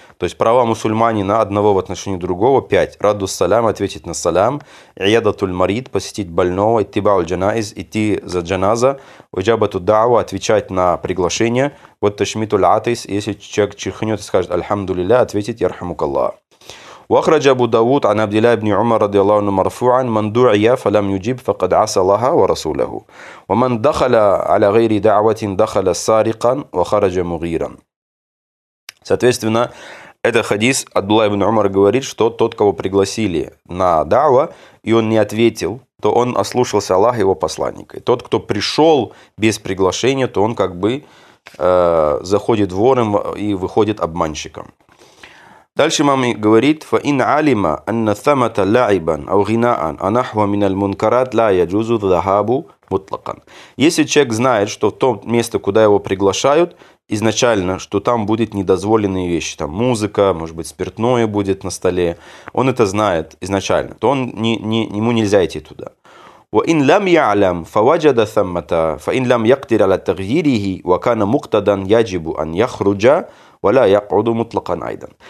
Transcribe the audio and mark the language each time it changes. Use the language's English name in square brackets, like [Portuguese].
[Russian] То есть права мусульманина одного в отношении другого 5. Раду салям, ответить на салям, [Arabic] иядатул марид, [Russian] посетить больного, [Arabic] иттибау аль-джанаиз, [Russian] идти за джаназа, [Arabic] иджабату дауа, [Russian] отвечать на приглашение, вот [Arabic] ташмитул атис, [Russian] если человек чихнет и скажет альхамдулилля, ответить ярхамукаллах. [Arabic] وأخرج أبو داود عن عبد الله بن عمر رضي الله عنه مرفوعا: من دعي فلم يجب فقد عصى الله ورسوله، ومن دخل على غير دعوة دخل سارقا وخرج مغيرا. [Russian] Соответственно, этот хадис Абдуллах ибн Умар говорит, что тот, кого пригласили на дауа, и он не ответил, то он ослушался Аллаха и его посланника. И тот, кто пришел без приглашения, то он как бы заходит вором и выходит обманщиком. Дальше имам говорит: [Arabic] فَإِنْ عَلِمَ أَنَّ ثَمَتَ لَعِبًا أَوْ غِنَاءً أَنَحْوَ مِنَ الْمُنْكَرَاتِ لَا يَجُزُ ذَهَابُ مُطْلَقًا. [Russian] Если человек знает, что в том месте, куда его приглашают, изначально, что там будет недозволенные вещи, там музыка, может быть, спиртное будет на столе, он это знает изначально, то он ему нельзя идти туда. [Arabic] وَإِنْ لَمْ يَعْلَمْ فَوَجَدَ ثَمَّتَ فَإِنْ لَمْ يَقْدِرْ عَلَى تَغْيِيرِهِ وَكَانَ مُقْتَدًا يَجِبُ أَنْ يَخْرُجَ وَلَا يَقْعُدُ مُطْلَقًا أَيْضًا.